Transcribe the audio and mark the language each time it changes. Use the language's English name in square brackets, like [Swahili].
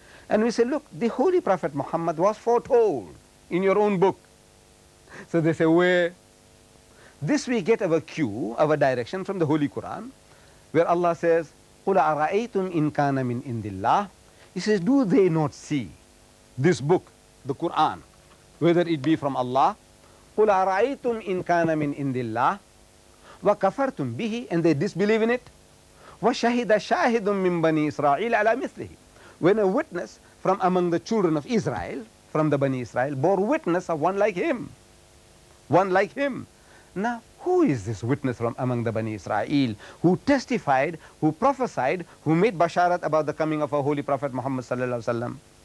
[English] And we say, look, the Holy Prophet Muhammad was foretold in your own book. So they say, where? This we get our cue, our direction from the Holy Quran, where Allah says, [Arabic] قُلَ أَرَأَيْتُمْ إِن كَانَ مِنْ إِنْدِ اللَّهِ. [English] He says, do they not see this book, the Quran, whether it be from Allah? [Arabic] قُلْ أَرَأَيْتُمْ إِنْ كَانَ مِنْ إِنْدِ اللَّهِ وَكَفَرْتُمْ بِهِ, [English] and they disbelieve in it. [Arabic] وَشَهِدَ شَاهِدٌ مِّنْ بَنِي إِسْرَائِيلَ عَلَى مِثْلِهِ. [English] When a witness from among the children of Israel, from the Bani Israel, bore witness of one like him. One like him. Now, who is this witness from among the Bani Israel who testified, who prophesied, who made basharat about the coming of our Holy Prophet Muhammad sallallahu alaihi wasallam?